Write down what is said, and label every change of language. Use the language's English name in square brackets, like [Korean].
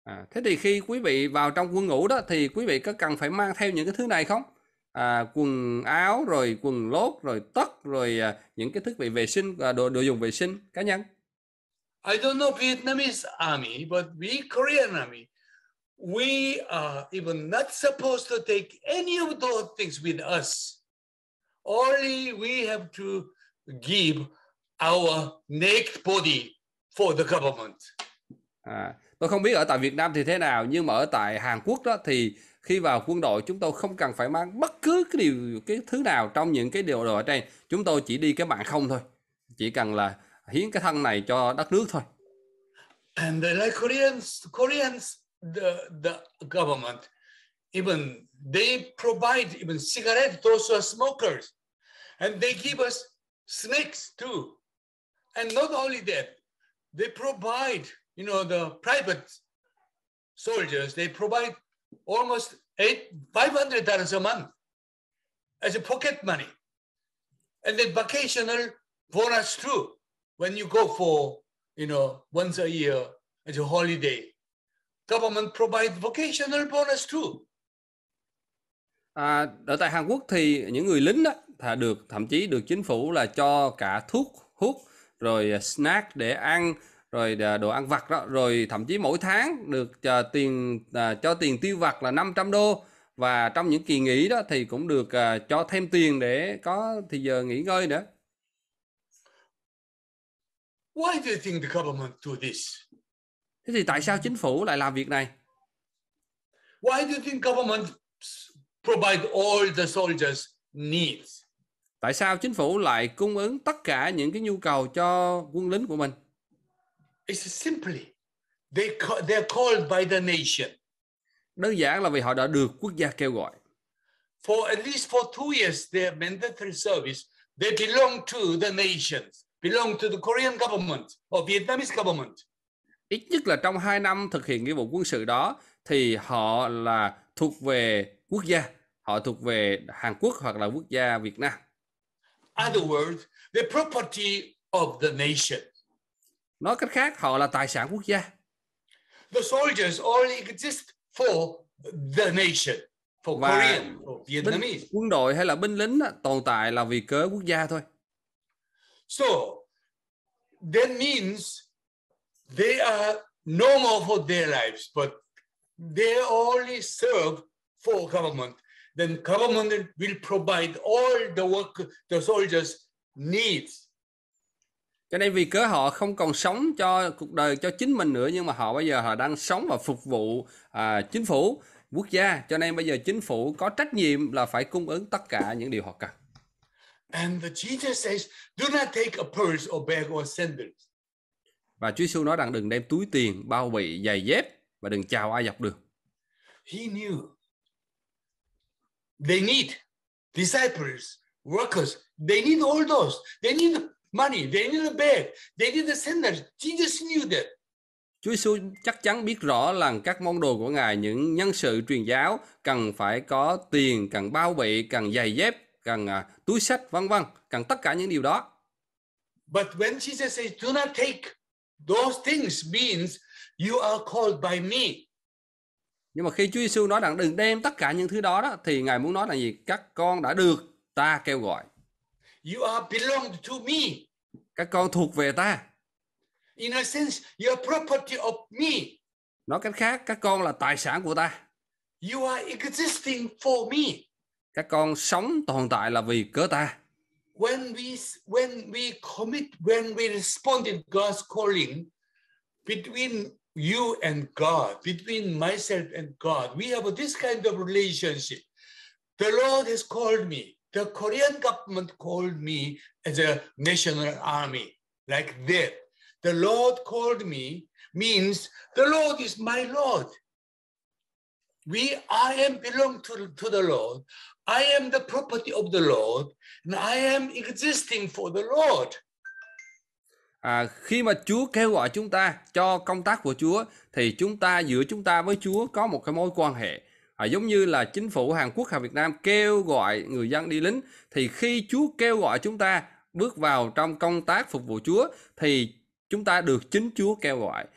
[Vietnamese] Thế thì khi quý vị vào trong quân ngũ đó thì quý vị có cần phải mang theo những cái thứ này không? Quần áo, rồi quần lót, rồi tất, rồi những cái thiết bị vệ sinh, đồ dùng vệ sinh cá nhân. [English] I don't know Vietnamese army, but we Korean army, we are even not supposed to take any of those things with us. Only we have to give our naked body for the government. [Vietnamese] Tôi không biết ở tại Việt Nam thì thế nào, nhưng mà ở tại Hàn Quốc đó thì khi vào quân đội chúng tôi không cần phải mang bất cứ cái điều, cái thứ nào trong những cái điều đồ ở trên. Chúng tôi chỉ đi cái mạng không thôi. Chỉ cần là hiến cái thân này cho đất nước thôi. [English] And like Koreans, the government, even they provide even cigarettes, those who are smokers. And they give us snakes too. And not only that, they provide, you know, the private soldiers, they provide almost $500 a month as a pocket money. And then vacational bonus too, when you go for, you know, once a year as a holiday. Government provide vacational bonus too. [Vietnamese] Ở tại Hàn Quốc thì những người lính đó, thậm chí được chính phủ là cho cả thuốc hút, rồi snack để ăn, rồi đồ ăn vặt đó, rồi thậm chí mỗi tháng được cho tiền tiêu vặt là $500, và trong những kỳ nghỉ đó thì cũng được cho thêm tiền để có thì giờ nghỉ ngơi nữa. [English] Why do you think the government do this? [Vietnamese] Thế thì tại sao chính phủ lại làm việc này? [English] Why do you think government provide all the soldiers' needs? [Vietnamese] Tại sao chính phủ lại cung ứng tất cả những cái nhu cầu cho quân lính của mình? [English] It's simply they're called by the nation. [Vietnamese] Đơn giản là vì họ đã được quốc gia kêu gọi. [English] for at least for 2 years, their mandatory service, they belong to the nations, belong to the Korean government or Vietnamese government. [Vietnamese] Ít nhất là trong 2 năm thực hiện nghĩa vụ quân sự đó, thì họ là thuộc về quốc gia, họ thuộc về Hàn Quốc hoặc là quốc gia Việt Nam. [English] Other words, the property of the nation. [Vietnamese] Nói cách khác, họ là tài sản quốc gia. [English] The soldiers only exist for the nation, for [Vietnamese] và [English] Korean or Vietnamese. [Vietnamese] Quân đội hay là binh lính tồn tại là vì cớ quốc gia thôi. [English] So that means they are no more for their lives, but they only serve for government. Then government will provide all the work the soldiers needs. [Vietnamese] Cho nên vì cớ họ không còn sống cho cuộc đời cho chính mình nữa, nhưng mà họ bây giờ họ đang sống và phục vụ chính phủ quốc gia, cho nên bây giờ chính phủ có trách nhiệm là phải cung ứng tất cả những điều họ cần. [English] And the Jesus says, do not take a purse or bag or sandals. [Vietnamese] Và Chúa Giêsu nói rằng đừng đem túi tiền, bao bì, giày dép và đừng chào ai dọc đường. [English] He knew they need disciples, workers, they need all those. They need money, they need a bag, they need a sandal. Jesus knew that. [Vietnamese] Chúa Giêsu chắc chắn biết rõ là các môn đồ của Ngài, những nhân sự truyền giáo cần phải có tiền, cần bao bì, cần giày dép, cần túi sách, vân vân, cần tất cả những điều đó. [English] But when Jesus says, do not take those things, means you are called by me. [Vietnamese] Nhưng mà khi Chúa Giêsu nói rằng đừng đem tất cả những thứ đó đó, thì Ngài muốn nói là gì? Các con đã được ta kêu gọi. [English] You are belonged to me. [Vietnamese] Các con thuộc về ta. [English] In a sense, you are property of me. [Vietnamese] Nói cách khác, các con là tài sản của ta. [English] You are existing for me. [Vietnamese] Các con sống tồn tại là vì cớ ta. [English] When we commit, when we respond to God's calling, between you and God, between myself and God, we have this kind of relationship. The Lord has called me. The Korean government called me as a national army, like that. The Lord called me means the Lord is my Lord. I belong to the Lord. I am the property of the Lord, and I am existing for the Lord. [Vietnamese] Khi mà Chúa kêu gọi chúng ta cho công tác của Chúa, thì chúng ta giữa chúng ta với Chúa có một cái mối quan hệ. Giống như là chính phủ Hàn Quốc hay Việt Nam kêu gọi người dân đi lính, thì khi Chúa kêu gọi chúng ta bước vào trong công tác phục vụ Chúa, thì chúng ta được chính Chúa kêu gọi.